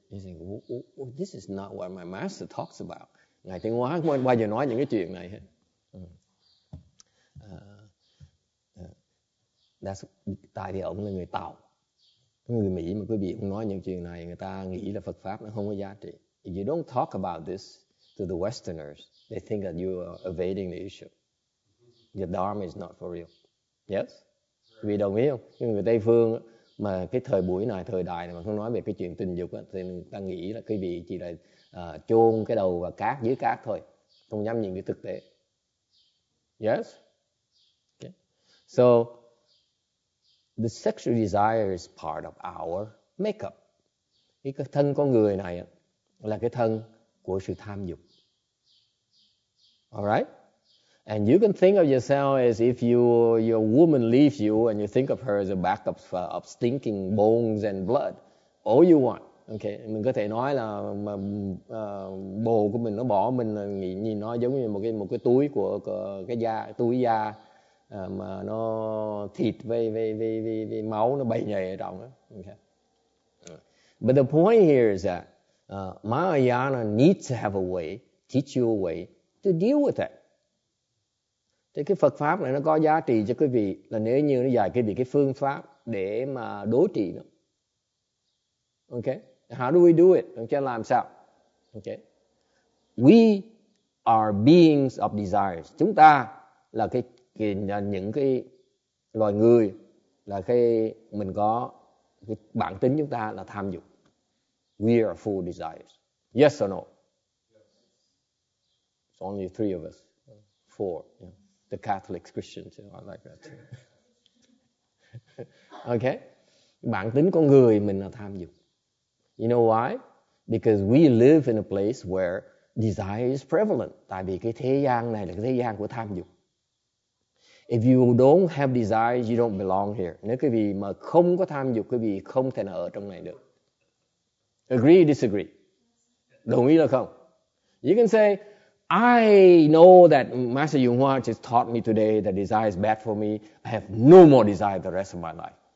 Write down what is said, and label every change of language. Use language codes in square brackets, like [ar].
[en] She said, well, this is not what my master talks about. [vi] Ngài Tiến Hóa không bao giờ nói những cái chuyện này. đa số tại thì ổng là người Tàu. Người Mỹ mà quý vị không nói những chuyện này, người ta nghĩ là Phật pháp nó không có giá trị. [en] If you don't talk about this to the Westerners, they think that you are evading the issue. Your dharma is not for real. Yes? [vi] Quý vị đồng ý không? Nhưng người Tây Phương mà cái thời buổi này, thời đại này mà không nói về cái chuyện tình dục thì người ta nghĩ là quý vị chỉ là chôn cái đầu và cát dưới cát thôi, không dám nhìn cái thực tế. [en] Yes? Okay. So, the sexual desire is part of our makeup. [vi] Cái thân con người này là cái thân của sự tham dục. [en] Alright? And you can think of yourself as if your woman leaves you and you think of her as a bag of stinking bones and blood. All you want. [vi] Okay, mình có thể nói là mà bồ của mình nó bỏ mình là nhìn nó giống như một cái túi của cái da, túi da mà nó thịt với máu nó bầy nhầy ở trong đó. [en] Okay. But the point here is that Mahayana needs to have a way, teach you a way to deal with it. [vi] Thế cái Phật pháp này nó có giá trị cho quý vị là nếu như nó dạy quý vị cái phương pháp để mà đối trị nó. [en] Okay. How do we do it? Okay, [vi] làm sao? [en] Okay. We are beings of desires. [vi] Chúng ta là những cái loài người là khi mình có cái bản tính chúng ta là tham dục. [en] We are full of desires. Yes or no? It's only three of us. Four. Yeah. The Catholics, Christians, you know, I like that too. Okay. [vi] Bản tính con người mình là tham dục. [en] You know why? Because we live in a place where desire is prevalent. [vi] Tại vì cái thế gian này là cái thế gian của tham dục. [en] If you don't have desire, you don't belong here. [vi] Nếu quý vị mà không có tham dục, quý vị không thể nào ở trong này được. [en] Agree or disagree? [vi] Đồng ý là không? [en] You can say, I know that Master Yonghua just taught me today that desire is bad for me. I have no more desire the rest of my life.